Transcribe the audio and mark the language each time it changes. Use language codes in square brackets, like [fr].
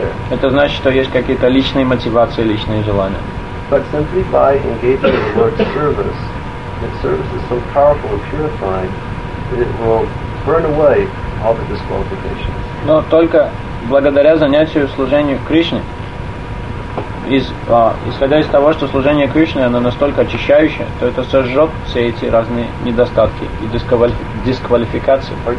[ru] Это значит, что есть какие-то личные мотивации, личные желания. [en] But simply by engaging in Lord's service, that service is so powerful and purifying, it will burn away all the disqualifications. [ru] Но только благодаря занятию служению Кришне, исходя из того, что служение Кришне, оно настолько очищающее, то это сожжет все эти разные недостатки и дисквалификации.